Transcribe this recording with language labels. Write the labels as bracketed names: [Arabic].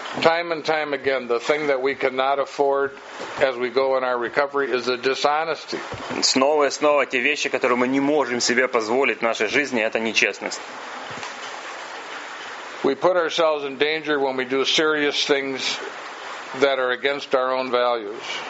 [English] Time and time again, the thing that we cannot afford as we go in our recovery is the dishonesty. [Russian] Снова и снова те вещи, которые мы не можем себе позволить в нашей жизни, это нечестность. [English] We put ourselves in danger when we do serious things that are against our own values.